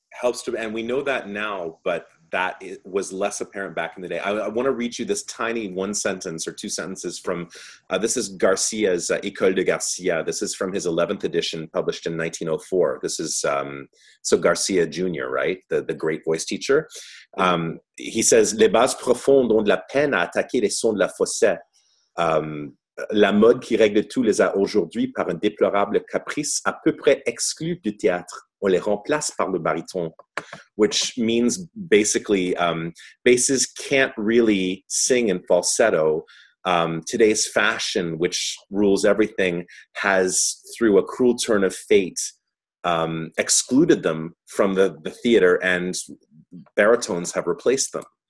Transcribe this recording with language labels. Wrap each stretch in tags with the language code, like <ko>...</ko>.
<en>Helps to, and we know that now, but that was less apparent back in the day. I want to read you this tiny one sentence or two sentences from, this is Garcia's Ecole de Garcia. This is from his 11th edition published in 1904. This is, so Garcia Jr., right? The great voice teacher.</en> <fr>He says, les basses profondes ont de la peine à attaquer les sons de la fosse. La mode qui règle tout les a aujourd'hui par un déplorable caprice à peu près exclu du théâtre. On les remplace par le bariton,</fr> <en>which means basically basses can't really sing in falsetto. Today's fashion, which rules everything, has, through a cruel turn of fate, excluded them from the theater, and baritones have replaced them.</en>